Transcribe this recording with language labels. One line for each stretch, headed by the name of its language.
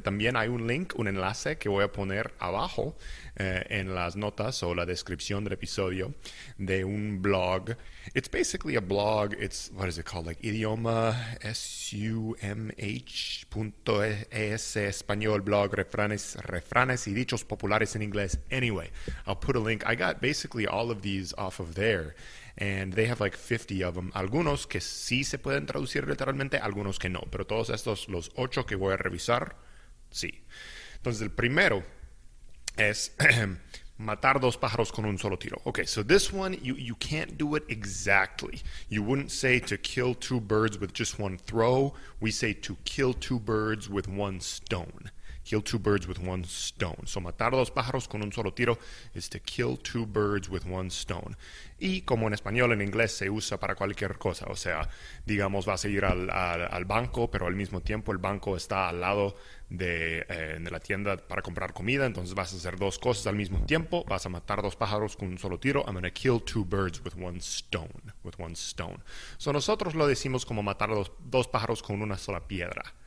Spanish: También hay un link, un enlace que voy a poner abajo en las notas o la descripción del episodio de un blog.
English: It's basically a blog. It's, what is it called? Like idioma.sumh.es, español, blog, refranes y dichos populares en inglés. Anyway, I'll put a link. I got basically all of these off of there. And they have like 50 of them.
Spanish: Algunos que sí se pueden traducir literalmente, algunos que no. Pero todos estos, los 8 que voy a revisar, sí. Entonces, el primero es matar dos pájaros con un solo tiro.
English: Okay, so this one, you can't do it exactly. You wouldn't say to kill two birds with just one throw. We say to kill two birds with one stone. Kill two birds with one stone. So,
Spanish: matar dos pájaros con un solo tiro
English: is to kill two birds with one stone.
Spanish: Y como en español, en inglés se usa para cualquier cosa. O sea, digamos, vas a ir al banco, pero al mismo tiempo el banco está al lado de la tienda para comprar comida. Entonces, vas a hacer dos cosas al mismo tiempo. Vas a matar dos pájaros con un solo tiro.
English: I'm going to kill two birds with one stone. With one stone.
Spanish: So, nosotros lo decimos como matar dos pájaros con una sola piedra.